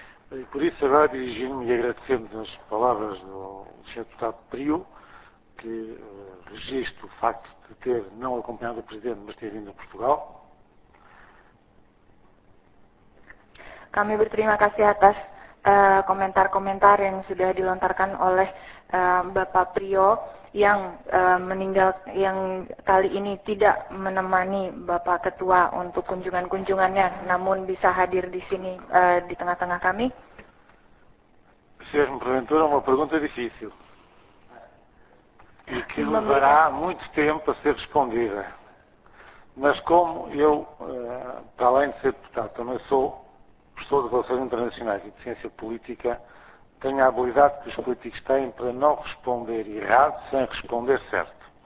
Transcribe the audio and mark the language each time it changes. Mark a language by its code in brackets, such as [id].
[pt] E por isso agora dirigimos-me e agradecemos as palavras do Sr. Deputado Prio, que registro o facto de ter não acompanhado o Presidente, mas ter vindo a Portugal. [id] Kami berterima kasih atas komentar-komentar yang sudah dilontarkan oleh Bapak Prio yang meninggal, yang kali ini tidak menemani Bapak Ketua untuk kunjungan-kunjungannya, namun bisa hadir di sini di tengah-tengah kami. [pt] Senhor Presidente, uma pergunta difícil e que levará muito tempo a ser respondida. Mas como eu, para além de ser deputado, também sou professor de Relações Internacionais e de Ciência Política, tenho a habilidade que os políticos têm para não responder errado sem responder certo.